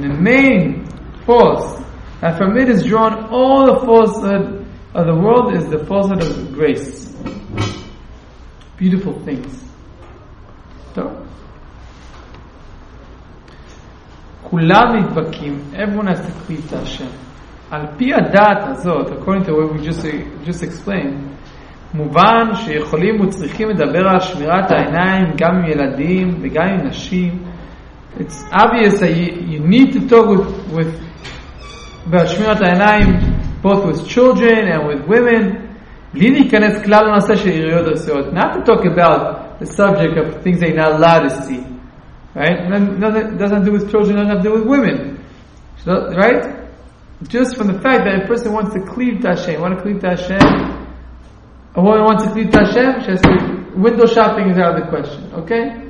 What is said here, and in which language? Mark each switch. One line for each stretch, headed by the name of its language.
English: The main false, and from it is drawn all the falsehood of the world, is the falsehood of grace. Beautiful things. So.
Hebrew: כולם נדבקים.
English: Everyone has to cleave to Hashem.
Hebrew: על פי הדעת הזאת,
English: according to what we just explained,
Hebrew: מובן שיכולים וצריכים לדבר על שמירת העיניים גם עם ילדים וגם עם נשים.
English: It's obvious that you need to talk with שמירת העיניים both with children and with women.
Hebrew: בלי להיכנס כלל לנושא של עיריות עשויות.
English: Not to talk about the subject of things they're not allowed to see. Right? Nothing doesn't do with children, doesn't have to do with women. So, right? Just from the fact that a person wants to cleave to Hashem, want to cleave to Hashem, a woman wants to cleave to Hashem, she has to, window shopping is out of the question, okay?